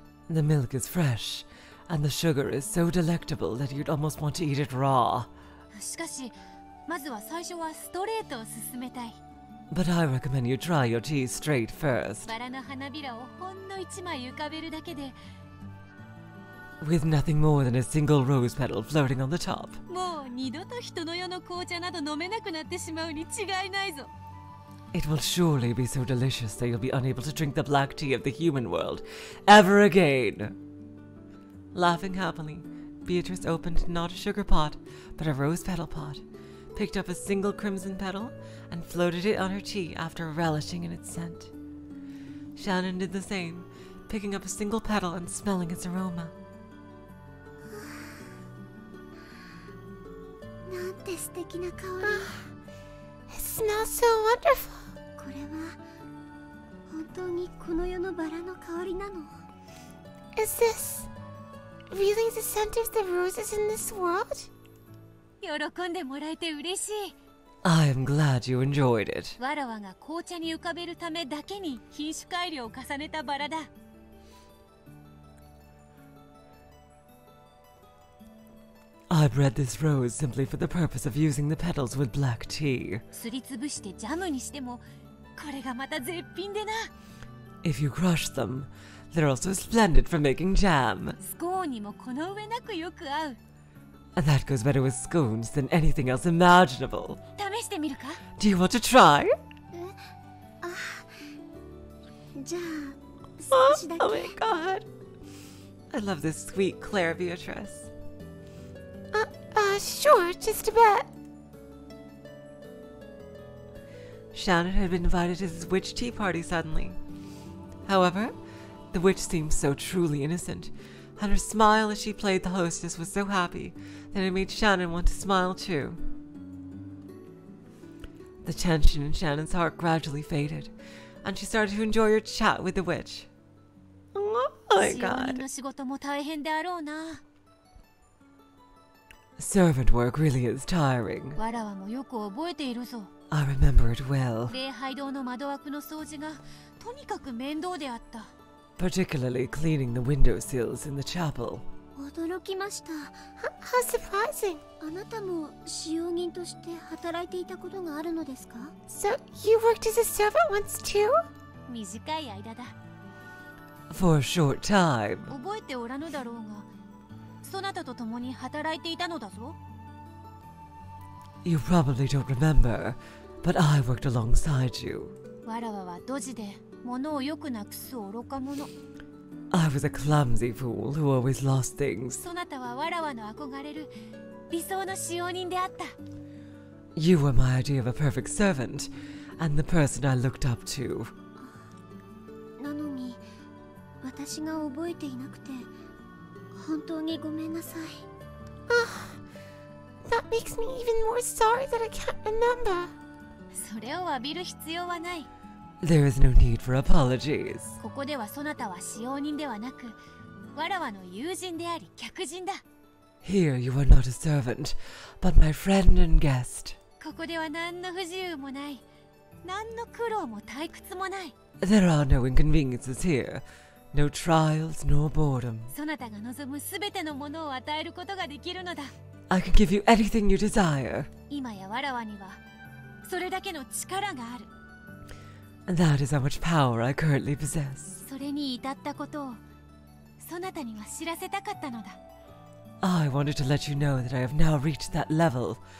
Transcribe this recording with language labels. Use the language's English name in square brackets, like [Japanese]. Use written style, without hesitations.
[English] The milk is fresh, and the sugar is so delectable that you'd almost want to eat it raw. [Japanese] しかし、まずは最初はストレートを進めたい。 [English] But I recommend you try your tea straight first. [Japanese] バラの花びらをほんの一枚浮かべるだけで。 [English] With nothing more than a single rose petal floating on the top. [Japanese] もう二度と人の世の紅茶など飲めなくなってしまうに違いないぞ。 [English] It will surely be so delicious that you'll be unable to drink the black tea of the human world ever again. Laughing happily, Beatrice opened not a sugar pot, but a rose petal pot, picked up a single crimson petal, and floated it on her tea after relishing in its scent. Shannon did the same, picking up a single petal and smelling its aroma. [Japanese] Nante suteki na kaori. [English] It smells so wonderful. [Japanese] これは本当にこの世のバラの香りなの? [English] Is this really the scent of the roses in this world? [Japanese] 喜んでもらえて嬉しい。 [English] I am glad you enjoyed it. [Japanese] わらわが紅茶に浮かべるためだけに品種改良を重ねたバラだ。 [English] I bred this rose simply for the purpose of using the petals with black tea. [Japanese] すりつぶしてジャムにしてもこれがまた絶品でな。 [English] If you crush them, they're also splendid for making jam. [Japanese] スコーンにもこの上なくよく合う。 [English] And that goes better with scones than anything else imaginable. [Japanese] 試してみるか? [English] Do you want to try? [Japanese] じゃあ、少しだけ。 [English] Oh my god. I love this sweet Clair Beatrice. Sure, just a bit. Shannon had been invited to this witch tea party suddenly. However, the witch seemed so truly innocent, and her smile as she played the hostess was so happy that it made Shannon want to smile too. The tension in Shannon's heart gradually faded, and she started to enjoy her chat with the witch. Oh my god. [Japanese] 使用人の仕事も大変であろうな。 [English] Servant work really is tiring. [Japanese] わらわもよく覚えているぞ。 [English] I remember it well. [Japanese] 礼拝堂の窓枠の掃除がとにかく面倒であった。 [English] Particularly cleaning the window sills in the chapel. [Japanese] 驚きました。 [English] How surprising! [Japanese] あなたも使用人として働いていたことがあるのですか? [English] So you worked as a servant once too? [Japanese] 短い間だ。 [English] For a short time. [Japanese] 覚えておらぬだろうが、そなたと共に働いていたのだぞ。 [English] You probably don't remember, but I worked alongside you. [Japanese] わらわはドジで、物をよくなくす愚か者。 [English] I was a clumsy fool who always lost things. [Japanese] そなたはわらわの憧れる理想の使用人であった。 [English] You were my idea of a perfect servant, and the person I looked up to. [Japanese] なのに、私が覚えていなくて、本当にごめんなさい。 [English] That makes me even more sorry that I can't remember. [Japanese] それを詫びる必要はない。 [English] There is no need for apologies. [Japanese] ここではそなたは使用人ではなく、わらわの友人であり客人だ。 [English] Here you are not a servant, but my friend and guest. [Japanese] ここでは何の不自由もない。何の苦労も退屈もない。 [English] There are no inconveniences here. No trials, nor boredom. [Japanese] そなたが望むすべてのものを与えることができるのだ。 [English] I can give you anything you desire. That is how much power I currently possess. I wanted to let you know that I have now reached that level.